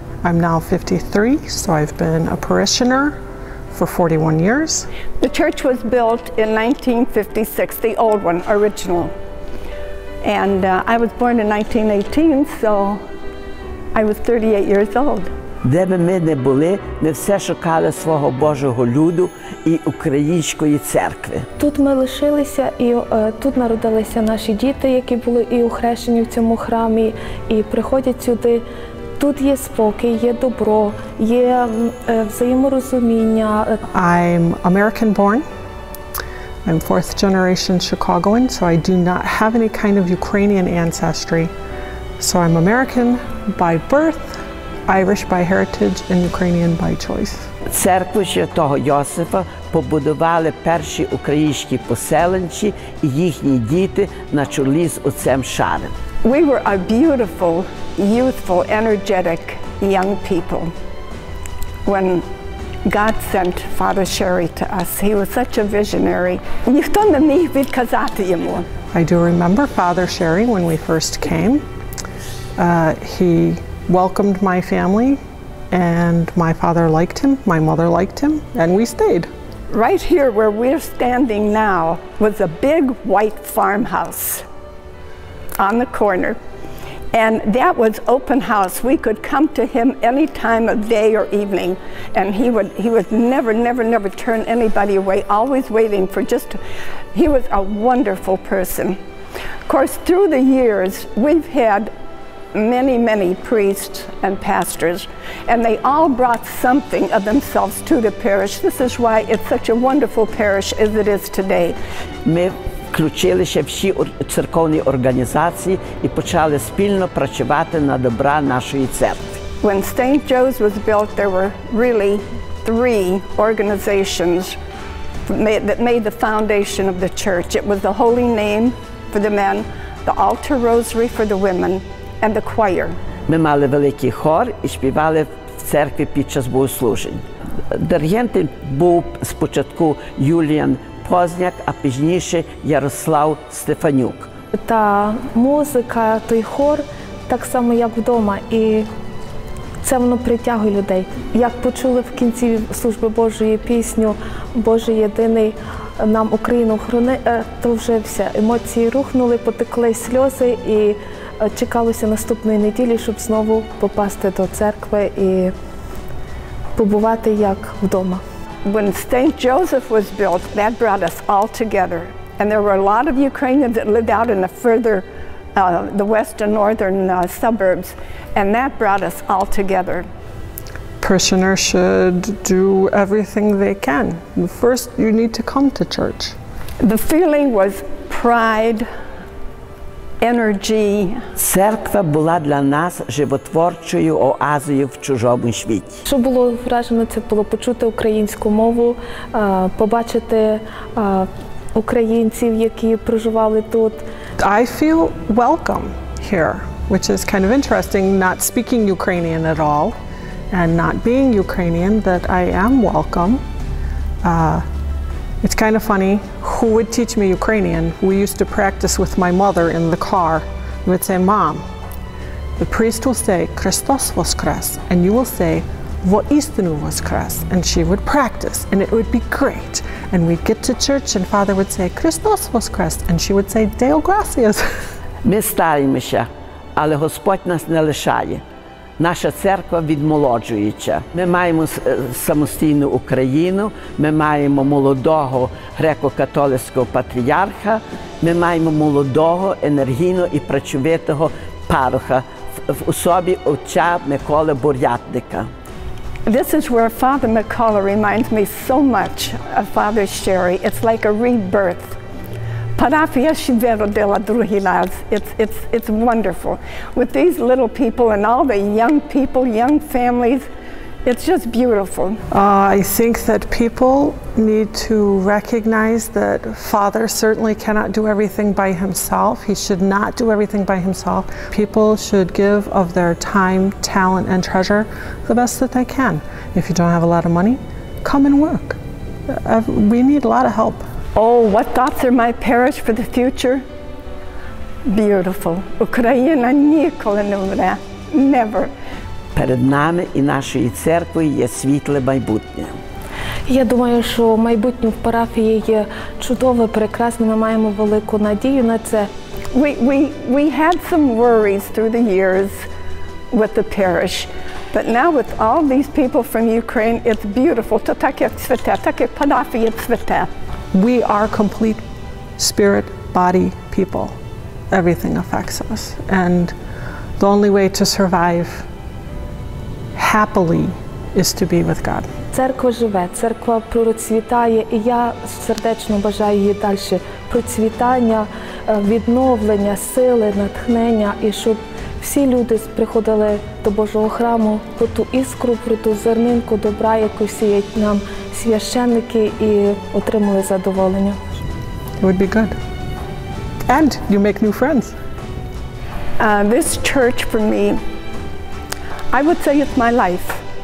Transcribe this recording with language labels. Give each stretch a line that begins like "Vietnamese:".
English: I'm now 53, so I've been a parishioner for 41 years. The church was built in 1956, the old one, original. And I was born in 1918, so I was 38 years old.
Ukrainian: Де би ми не були, ми все шукали свого Божого люду і української церкви. Тут ми лишилися, і тут народилися наші діти, які були і охрещені в цьому храмі, і приходять сюди. Тут є спокій, є добро, є взаєморозуміння.
English: I'm American born. I'm fourth generation Chicagoan, so I do not have any kind of Ukrainian ancestry. So I'm American by birth, Irish by heritage, and Ukrainian by choice.
Ukrainian: Церкву Святого Йосифа побудували перші українські поселенці і їхні діти на чолі з отцем Шарем.
English: We were a beautiful, youthful, energetic young people when God sent Father Sherry to us. He was such a visionary.
Ukrainian: Ніхто не міг відказати йому.
English: I do remember Father Sherry when we first came. He welcomed my family, and my father liked him, my mother liked him, and we stayed. Right here where we're standing now was a big white farmhouse on the corner. And that was open house. We could come to him any time of day or evening. And he would never, never, never turn anybody away, always waiting for just, he was a wonderful person. Of course, through the years, we've had many, many priests and pastors, and they all brought something of themselves to the parish. This is why it's such a wonderful parish as it is today.
Ukrainian: Включилися всі церковні організації і почали спільно працювати на добра нашої церкви.
English: When St. Joe's was built, there were really three organizations that made the foundation of the church. It was the Holy Name for the men, the Altar Rosary for the women, and the choir.
Ukrainian: Ми мали великий хор і співали в церкві під час богослужень. Диригентом був спочатку Юліан Позняк, а пізніше Ярослав Стефанюк. Та музика, той хор, так само як вдома, і це воно притягує людей. Як почули в кінці служби Божої пісню «Боже єдиний нам Україну хорони», то вже все, емоції рухнули, потекли сльози, і чекалося наступної неділі, щоб знову попасти до церкви і побувати як вдома.
English: When St. Joseph was built, that brought us all together. And there were a lot of Ukrainians that lived out in the further, the west and northern suburbs. And that brought us all together. Parishioners should do everything they can. First, you need to come to church. The feeling was pride, energy.
Ukrainian: Церква була для нас животворчою оазою в чужому світі. Що було вражено, це було почути українську мову, побачити українців, які проживали тут.
English: I feel welcome here, which is kind of interesting, not speaking Ukrainian at all, and not being Ukrainian, that I am welcome. It's kind of funny, who would teach me Ukrainian? We used to practice with my mother in the car. We would say, Mom, the priest will say,
Ukrainian: Christos Voskres,
English: and you will say,
Ukrainian: Во істину Воскрес,
English: and she would practice, and it would be great. And we'd get to church, and Father would say,
Ukrainian: Christos Voskres,
English: and she would say,
Latin: Deo gracias.
Ukrainian: Ми старимося, але Господь нас не лишає. Наша церква відмолоджується. Ми маємо самостійну Україну, ми маємо молодого греко-католицького патріарха, ми маємо молодого, енергійного і працьовитого пароха в особі отця Миколи Бурятника.
English: This is where Father Микола reminds me so much of Father Sherry. It's like a rebirth.
Ukrainian: Парафія ще веро дела другий раз.
English: It's wonderful. With these little people and all the young people, young families, it's just beautiful. I think that people need to recognize that Father certainly cannot do everything by himself. He should not do everything by himself. People should give of their time, talent, and treasure the best that they can. If you don't have a lot of money, come and work. We need a lot of help. Oh, what thoughts are my parish for the future? Beautiful.
Ukrainian: Україна ніколи не вмре.
English: Never.
Ukrainian: Перед нами і нашою церквою є світле майбутнє. Я думаю, що майбутнє в парафії є чудове, прекрасне. Ми маємо велику надію на це.
English: We had some worries through the years with the parish. But now with all these people from Ukraine, it's beautiful.
Ukrainian: То так як цвете, так як парафія цвете.
English: We are complete spirit, body, people. Everything affects us. And the only way to survive happily is to be with God.
Ukrainian: Церква живе, церква процвітає, і я сердечно бажаю їй далі процвітання, відновлення, сили, натхнення, і щоб всі люди приходили до Божого храму, по ту іскру, про ту зернинку добра, яку сіють нам священники, і отримали задоволення.
English: It would be good. And you make new friends. This church for me, I would say it's my life.